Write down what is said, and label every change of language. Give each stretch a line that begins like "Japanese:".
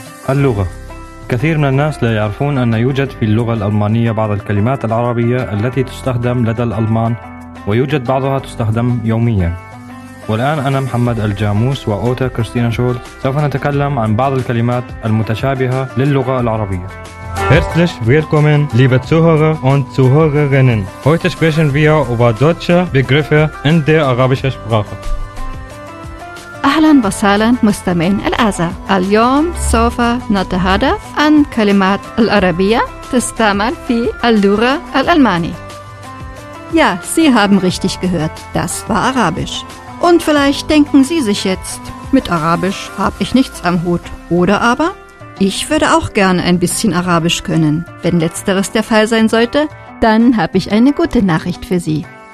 Arabic: اللغة. كثير من الناس لا يعرفون أن يوجد في اللغة الألمانية بعض الكلمات العربية التي تستخدم لدى الألمان، ويوجد بعضها تستخدم يوميا. والآن أنا محمد الجاموس وأوتا كريستينا شول سوف نتكلم عن بعض الكلمات المتشابهة للغة العربية.
German: Herzlich willkommen, liebe Zuhörer und Zuhörerinnen. Heute sprechen wir über deutsche Begriffe in der arabischen Sprache.
Arabic: اهلا وسهلا مستمعين الاعزاء. اليوم سوف نتحدث عن كلمات العربيه تستعمل في اللغه الالمانيه.
German: Ja, Sie haben richtig gehört. Das war Arabisch. Und vielleicht denken Sie sich jetzt, mit Arabisch habe ich nichts am Hut. Oder aber, ich würde auch gerne ein bisschen Arabisch können. Wenn letzteres der Fall sein sollte, dann habe ich eine gute Nachricht für Sie.